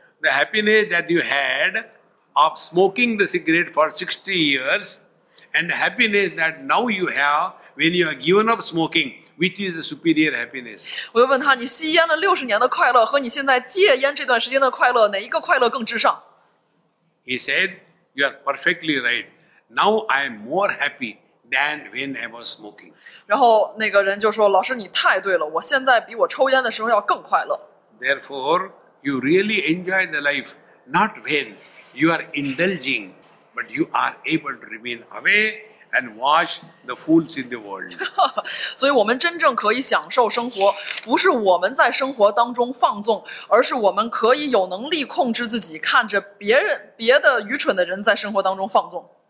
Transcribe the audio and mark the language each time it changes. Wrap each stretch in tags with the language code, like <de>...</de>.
<en>The happiness that you had of smoking the cigarette for 60 years, and the happiness that now you have when you are given up smoking, which is the superior happiness?</en> <zh>我就问他，你吸烟了六十年的快乐和你现在戒烟这段时间的快乐，哪一个快乐更至上？</zh> <en>He said, "You are perfectly right. Now I am more happy than when I was smoking."</en> <zh>然后那个人就说，老师你太对了，我现在比我抽烟的时候要更快乐。</zh> <en>Therefore, you really enjoy the life, not when you are indulging. But you are able to remain away and watch the fools in the world.</en> <zh>所以我们真正可以享受生活，不是我们在生活当中放纵，而是我们可以有能力控制自己，看着别的愚蠢的人在生活当中放纵。</zh>